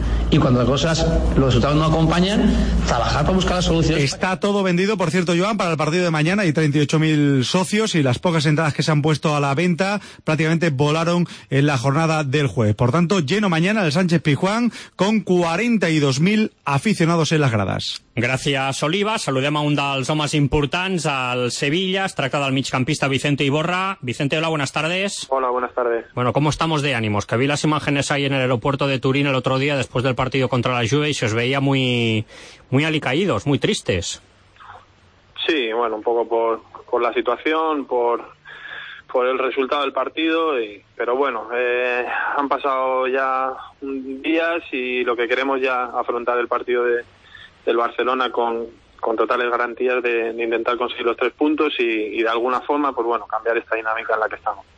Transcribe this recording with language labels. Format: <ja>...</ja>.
<es>Y cuando las cosas, los resultados no acompañan, trabajar para buscar las soluciones. Está todo vendido, por cierto, Joan, para el partido de mañana. Hay 38.000 socios y las pocas entradas que se han puesto a la venta prácticamente volaron en la jornada del jueves. Por tanto, lleno mañana el Sánchez-Pizjuán con 42.000 aficionados en las gradas.</es> <ca>Gràcies, Oliva. Saludem a un dels homes importants al Sevilla. Es tracta del migcampista Vicente Iborra. Vicente,</ca> <es>hola, buenas tardes. Hola, buenas tardes. Bueno, ¿cómo estamos de ánimos? Que vi las imágenes ahí en el aeropuerto de Turín el otro día después del partido contra la Juve y se os veía muy, muy alicaídos, muy tristes. Sí, bueno, un poco por la situación, por el resultado del partido, pero bueno, han pasado ya días y lo que queremos ya afrontar el partido del Barcelona con totales garantías de intentar conseguir los 3 puntos y de alguna forma, pues bueno, cambiar esta dinámica en la que estamos.</es>